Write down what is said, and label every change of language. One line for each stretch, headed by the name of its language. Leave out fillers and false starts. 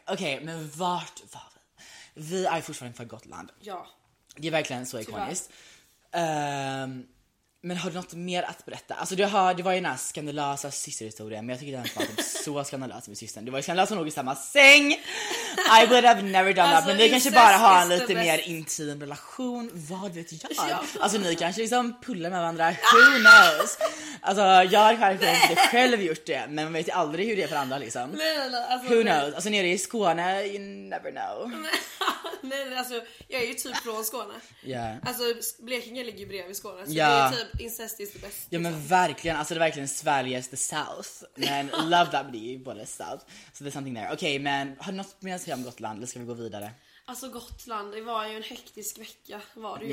Swedish: Okej, men vart var vi? Vi är fortfarande för Gotland. Ja. Det är verkligen så ikoniskt. Men har du något mer att berätta? Alltså det var ju den här skandalösa systerhistorien. Men jag tycker den var typ så skandalös med systern. Det var ju skandalös och nog i samma säng.
English: I would have never done
Swedish: alltså,
English: that.
Swedish: Men ni kanske bara har en lite mer intim relation. Vad vet jag? Alltså ni kanske liksom pullar med varandra.
English: Who knows?
Swedish: Alltså jag har kanske inte själv gjort det. Men man vet ju aldrig hur det är för andra liksom. Nej.
English: Who knows?
Swedish: Alltså nere i Skåne,
English: you never know.
Swedish: Nej, alltså jag är ju typ från Skåne.
English: Yeah.
Swedish: Alltså Blekinge ligger ju bredvid Skåne. Så
English: yeah.
Swedish: Det är typ
English: incest is the best.
Swedish: Ja, men verkligen, alltså det är verkligen Sveriges
English: the south.
Swedish: Men
English: love that,
Swedish: men det är ju både south. Så det är
English: something there.
Swedish: Okej, men har du något mer att säga om Gotland? Eller ska vi gå vidare? Alltså Gotland, det var ju en hektisk vecka, var det ju.